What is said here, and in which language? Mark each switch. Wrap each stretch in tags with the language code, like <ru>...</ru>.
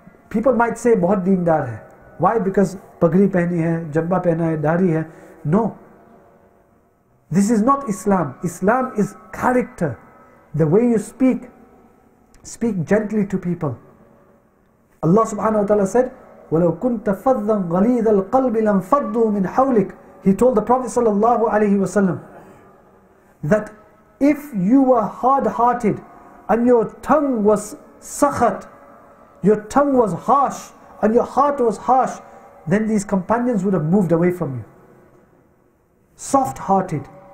<en>People might say,</en> <hi>bahut deendar hai.</hi> <en>Why? Because</en> <hi>pagri pehni hai, jabba pehna hai, dari hai. No.</hi> <en>This is not Islam. Islam is character. The way you speak gently to people.</en> <ar>Allah subhanahu wa ta'ala said, وَلَوْ كُنْتَ فَضًّا غَلِيظَ الْقَلْبِ لَمْ فَضُّوا مِنْ حَوْلِكَ.</ar> <en>He told the Prophet sallallahu alayhi wa sallam that if you were hard-hearted and your tongue was sakhat, your tongue was harsh and your heart was harsh, then these companions would have moved away from you. Soft-hearted.</en>